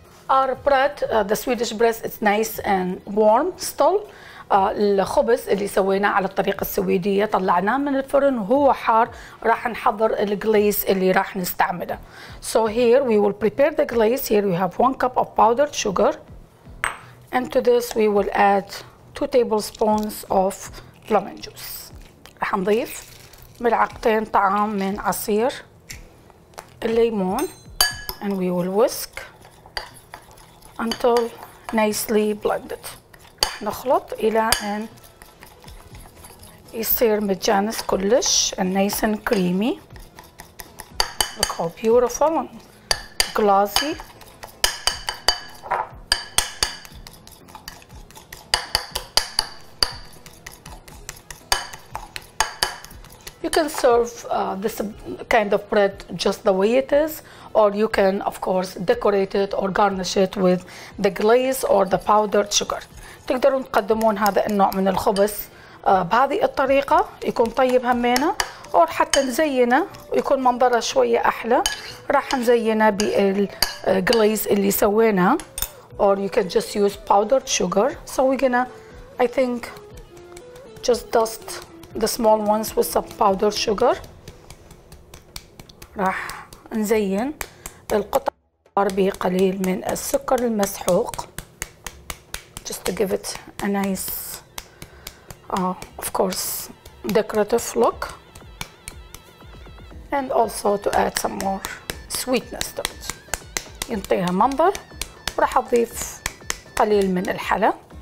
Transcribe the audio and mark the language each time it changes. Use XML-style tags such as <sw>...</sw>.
<en>Our bread, the Swedish bread, is nice and warm still.</en> <ar>الخبز اللي سويناه على الطريقة السويدية طلعناه من الفرن وهو حار. راح نحضر الجليز اللي راح نستعمله.</ar> <en>So here we will prepare the glaze. Here we have 1 cup of powdered sugar. And to this we will add 2 tablespoons of lemon juice.</en> <ar>راح نضيف ملعقتين طعام من عصير الليمون.</ar> <en>And we will whisk until nicely blended.</en> <ar>نخلط إلى أن يصير متجانس كلش</ar> <en>and nice and creamy. Look how beautiful and glossy. You can serve this kind of bread just the way it is, or you can of course decorate it or garnish it with the glaze or the powdered sugar.</en> <ar>تقدرون تقدمون هذا النوع من الخبز بهذه الطريقة يكون طيب همينة، أو حتى نزينه ويكون منظره شوية أحلى راح نزينه بالجليز اللي سويناه.</ar> <en>Or you can just use powdered sugar. So we're gonna, I think, just dust the small ones with some powdered sugar.</en> <ar>راح نزين القطع بقليل من السكر المسحوق.</ar> <en>Just to give it a nice, of course, decorative look. And also to add some more sweetness to it.</en> <ar>ينطيها منظر. وراح أضيف قليل من الحلى.</ar>